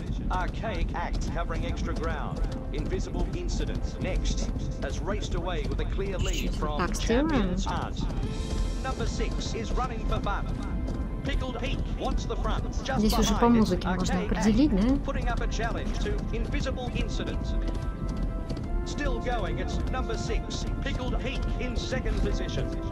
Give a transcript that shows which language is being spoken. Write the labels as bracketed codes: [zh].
[en] Archaic Act covering extra ground. Invisible Incident next has raced away with a clear lead from Champions Art. Number 6 is running for fun. Pickled Pink wants the front. [ru] Здесь уже по музыке можно определить, да? [en] Putting up a challenge to Invisible Incident. Still going, it's number 6, Pickled Pink in second position.